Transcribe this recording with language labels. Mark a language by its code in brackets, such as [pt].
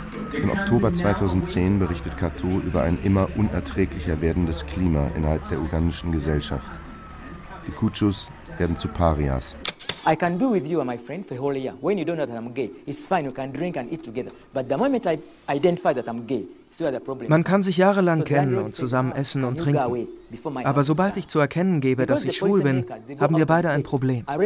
[de] Im Oktober 2010 berichtet Kato über ein immer unerträglicher werdendes Klima innerhalb der ugandischen Gesellschaft. Die Kutschus werden zu Parias. [en] I can be with you and my friend for a whole year. When you don't know that I'm gay, it's fine, you can drink and eat together. But the moment I identify that I'm gay, [de] man kann sich jahrelang kennen und zusammen essen und trinken. Aber sobald ich zu erkennen gebe, dass ich schwul bin, haben wir beide ein Problem.